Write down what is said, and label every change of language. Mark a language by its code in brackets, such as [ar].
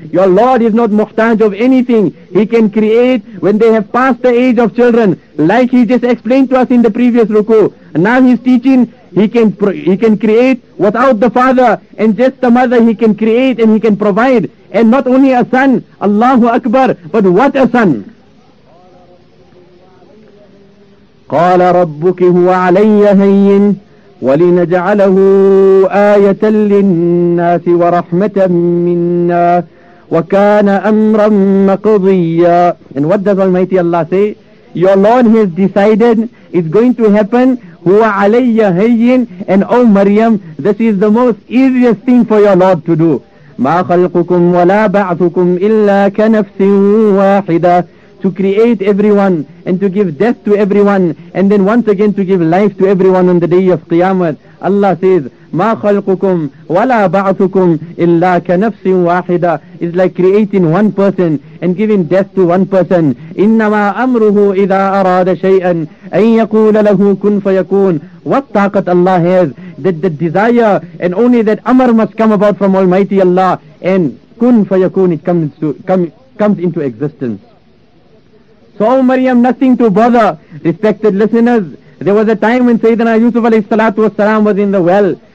[en] Your Lord is not muhtaj of anything. He can create when they have passed the age of children, like He just explained to us in the previous ruku. And now He's teaching, He can create without the father and just the mother, He can create and He can provide. And not only a son, Allahu Akbar, but what a son! [ar] قال ربك هو علي هين ولنجعله آية للناس ورحمة منا وكان أمرا مقضيا. [en] And what does Almighty Allah say? Your Lord has decided it's going to happen. [ar] هو علي هين. [en] And oh Maryam, this is the most easiest thing for your Lord to do. [ar] ما خلقكم ولا بعثكم إلا كنفس واحدة. [en] To create everyone and to give death to everyone and then once again to give life to everyone on the day of Qiyamah. Allah says, [ar] ما خلقكم ولا بعثكم إلا كنفس واحدة. [en] It's like creating one person and giving death to one person. [ar] إنما أمره إذا أراد شيئا أن يقول له كن فيكون. [en] What taqat Allah has, that the desire and only that amr must come about from Almighty Allah, and [ar] kun fayakun, [en] it comes into existence. So Maryam, nothing to bother. Respected listeners, there was a time when Sayyidina Yusuf alayhi salatu wasalam was in the well.